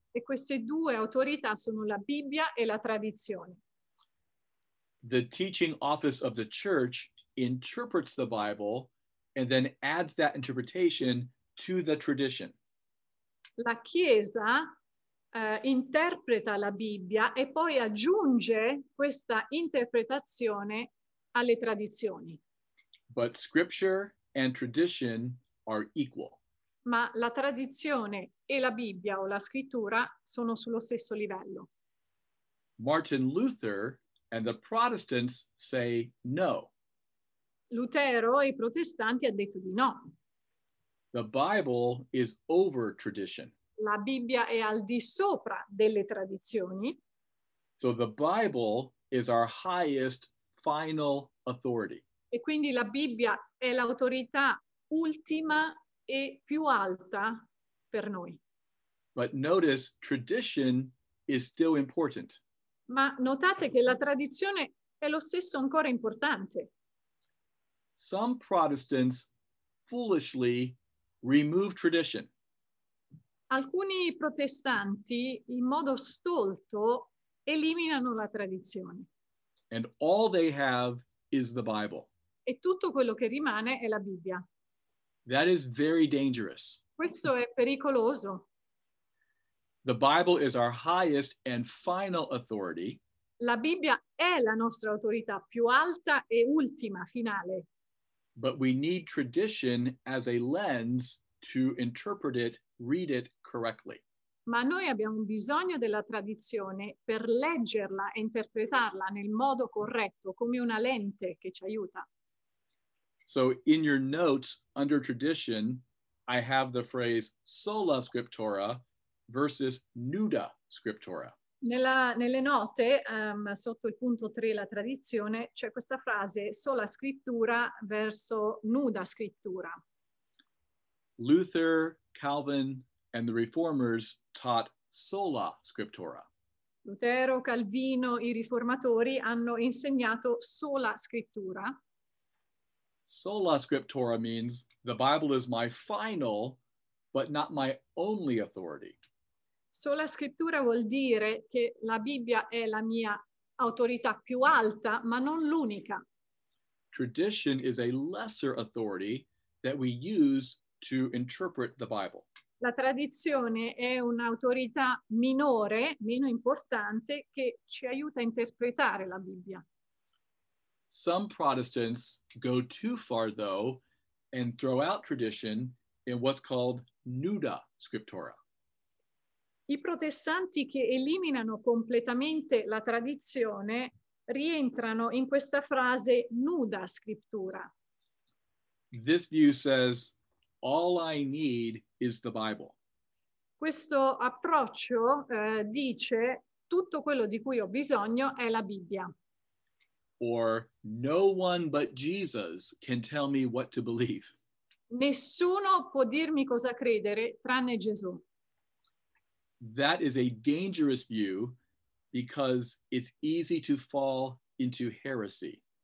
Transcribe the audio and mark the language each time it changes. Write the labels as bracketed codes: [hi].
[it] E queste due autorità sono la Bibbia e la tradizione. [en] The teaching office of the church interprets the Bible and then adds that interpretation to the tradition. [it] La Chiesa interpreta la Bibbia e poi aggiunge questa interpretazione alle tradizioni. [en] But scripture and tradition are equal. [it] Ma la tradizione e la Bibbia o la scrittura sono sullo stesso livello. [en] Martin Luther and the Protestants say no. [it] Lutero e i protestanti ha detto di no. [en] The Bible is over tradition. [it] La Bibbia è al di sopra delle tradizioni. [en] So the Bible is our highest final authority. [it] E quindi la Bibbia è l'autorità ultima e più alta per noi. [en] But notice, tradition is still important. [it] Ma notate che la tradizione è lo stesso ancora importante. [en] Some Protestants foolishly remove tradition. [it] Alcuni protestanti in modo stolto eliminano la tradizione. [en] And all they have is the Bible. [it] E tutto quello che rimane è la Bibbia. [en] That is very dangerous. [it] Questo è pericoloso. [en] The Bible is our highest and final authority. [it] La Bibbia è la nostra autorità più alta e ultima, finale. [en] But we need tradition as a lens to interpret it, read it correctly. [it] Ma noi abbiamo bisogno della tradizione per leggerla e interpretarla nel modo corretto, come una lente che ci aiuta. [en] So in your notes under tradition, I have the phrase sola scriptura versus nuda scriptura. [it] Nelle note, sotto il punto 3, la tradizione, c'è questa frase sola scrittura verso nuda scrittura. [en] Luther, Calvin, and the Reformers taught sola scriptura. [it] Lutero, Calvino, i riformatori hanno insegnato sola scrittura. [en] Sola scriptura means the Bible is my final, but not my only authority. [it] Sola scriptura vuol dire che la Bibbia è la mia autorità più alta, ma non l'unica. [en] Tradition is a lesser authority that we use to interpret the Bible. [it] La tradizione è un'autorità minore, meno importante, che ci aiuta a interpretare la Bibbia. [en] Some Protestants go too far, though, and throw out tradition in what's called nuda scriptura. [it] I protestanti che eliminano completamente la tradizione rientrano in questa frase nuda scriptura. [en] This view says, all I need is the Bible. [it] Questo approccio dice, tutto quello di cui ho bisogno è la Bibbia. [en] Or, no one but Jesus can tell me what to believe. [it] Nessuno può dirmi cosa credere, tranne Gesù. [en] That is a dangerous view because it's easy to fall into heresy.